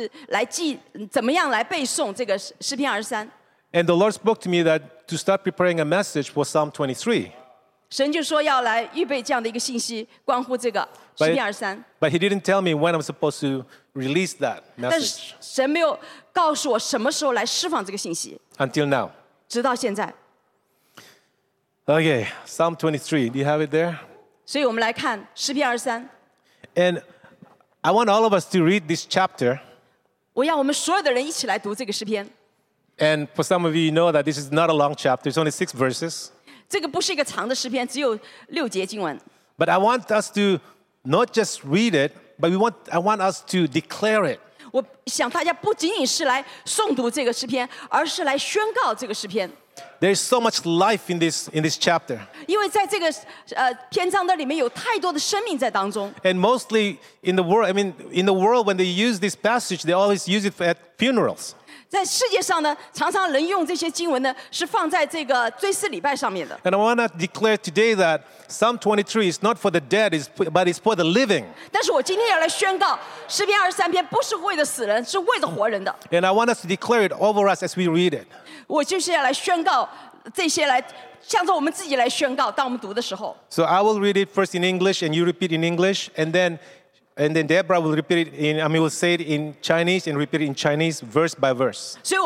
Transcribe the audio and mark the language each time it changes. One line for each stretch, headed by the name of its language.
Chinese: 你还记得吗？我们的孩子们当时做了一个小小的这个话剧，他们是来记怎么样来背诵这个诗篇23。
English: And the Lord spoke to me that to start preparing a message for Psalm 23.
Chinese: 神就说要来预备这样的一个信息，关乎这个诗篇23。
English: But he didn't tell me when I'm supposed to release that message. Until now. Okay, Psalm 23. Do you have it there?
Chinese: 所以我们来看诗篇23。
English: And I want all of us to read this chapter.
Chinese: 我要我们所有的人一起来读这个诗篇。
English: And for some of you, you know that this is not a long chapter. It's only 6 verses.
Chinese: 这个不是一个长的诗篇, 只有6节经文。
English: But I want us to not just read it, but I want us to declare it.
Chinese: 我想大家不仅仅是来诵读这个诗篇，而是来宣告这个诗篇。
English: There is so much life in this chapter. And mostly in the world, in the world, when they use this passage, they always use it at funerals.
Chinese: 在世界上呢，常常人用这些经文呢，是放在这个追思礼拜上面的。
English: And I want to declare today that Psalm 23 is not for the dead, but it's for the living.
Chinese: 但是我今天要来宣告，诗篇23篇不是为了死人，是为了活人的。
English: And I want us to declare it over us as we read it.
Chinese: 我就是要来宣告这些来，向着我们自己来宣告。当我们读的时候，
English: So I will read it first in English, and you repeat in English, and then Deborah will repeat it in, will say it in Chinese and repeat it in Chinese verse by verse.